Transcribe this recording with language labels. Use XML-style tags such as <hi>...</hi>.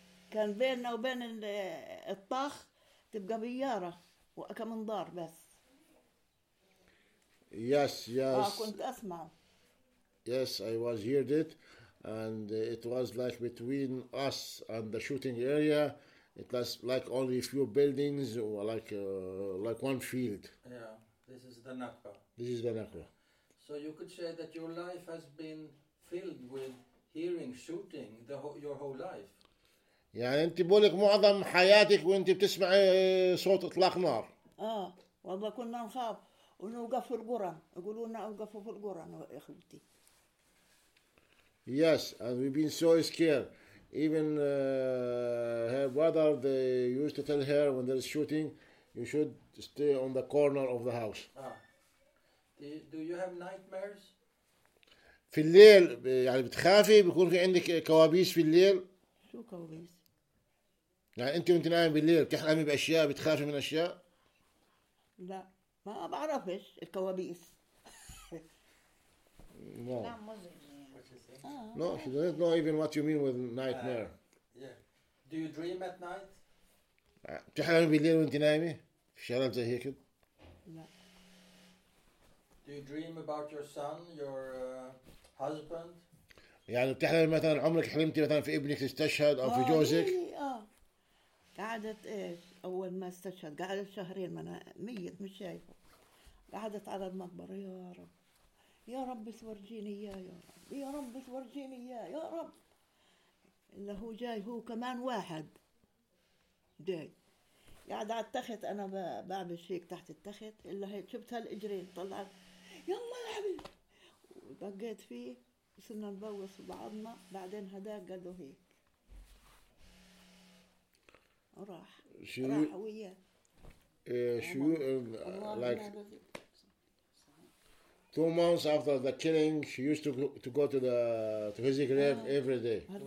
<ar>كان بيننا وبين الطخ تبقى بيارة وكم منظار بس.</ar> <en>Yes.</en> <ar>كنت أسمع.</ar> <en>Yes, I was heard it, and it was like between us and the shooting area. It was like only a few buildings, or like one field. Yeah, this is the Nakba. This is the Nakba. So you could say that your life has been filled with hearing shooting your whole life.</en> <ar>يعني أنت بقولك معظم حياتك وأنت بتسمع صوت إطلاق نار. والله كنا نخاف ونوقف في القرن. يقولون أوقفوا في القرن يا أخوتي.</ar> <en>Yes, and we've been so scared. Even her brother, they used to tell her when there's shooting, you should stay on the corner of the house. Do you have nightmares?</en> <ar>في الليل يعني بتخافي بيكون في عندك كوابيس في الليل. شو كوابيس؟ يعني أنت نايم بالليل بتحلمي بأشياء بتخافي من أشياء؟ لا ما بعرفش الكوابيس. لا مزعج.</ar> <en>No, she doesn't know even what you mean with nightmare. Do you dream at night?</en> <ar>تحلم بالليل وانت نايمة في شغلات زي هيك؟ لا.</ar> <en>Do you dream about your son, your husband?</en> <ar>يعني بتحلم مثلا عمرك حلمتي مثلا في ابنك استشهد او في جوزك؟ قعدت ايش اول ما استشهد قعدت شهرين انا ميت مش شايفه قعدت على المقبرة يا رب يا رب تورجيني اياه يا رب يا رب تورجيني اياه يا رب اللي هو جاي هو كمان واحد جاي قاعد على التخت انا بعمل هيك تحت التخت اللي هي شفت هالاجرين طلعت يلا العبي ودقيت فيه وصرنا نبوس بعضنا بعدين هداك قال له هيك وراح راح وياه شو لايك</ar> <en>Two months after the killing, she used to go to the to his grave every day.</en>